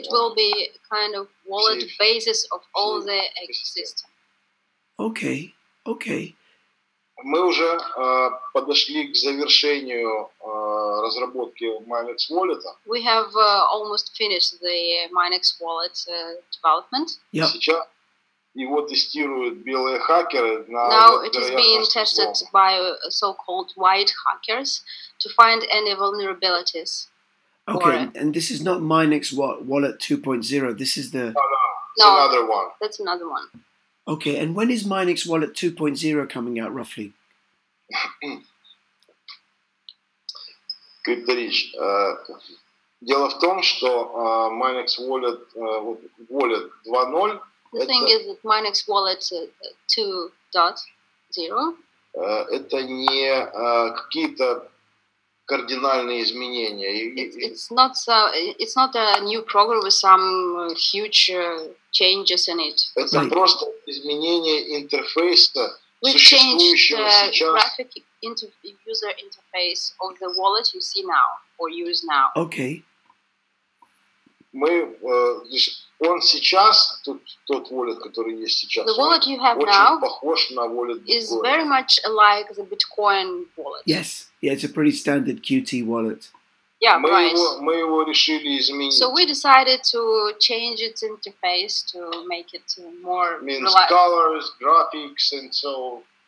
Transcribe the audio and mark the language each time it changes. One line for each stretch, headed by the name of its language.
English: It will be kind of wallet basis of all the ecosystem. Okay.
Russian: Мы уже подошли к завершению разработки Minex Wallet.
English: We have almost finished the Minex Wallet development. Yep.
Russian: Сейчас его тестируют белые хакеры.
English: Now it is being tested by so-called white hackers to find any vulnerabilities. Okay, and this is not Minex Wallet 2.0. This is the... No, another one. That's another one. Okay, and when is Minex Wallet 2.0 coming out, roughly?
Russian: Крипто Рич, дело в том, что Minex Wallet, Wallet 2.0...
English: The thing is that Minex Wallet 2.0...
Russian: Это не какие-то кардинальные изменения.
English: It's not a new program with some huge changes in it.
Russian: Это просто изменение интерфейса.
English: We changed the graphic user interface of the wallet you see now or use now. Okay.
Russian: Мы он сейчас тот wallet, который есть сейчас.
English: The wallet you have now
Russian: похож на wallet Bitcoin.
English: Is very much like the Bitcoin wallet. Yes. Yeah, it's a pretty standard QT wallet. Yeah, price.
Russian: Мы его решили изменить.
English: So we decided to change its interface to make it more means relaxed. Colors, graphics, and so.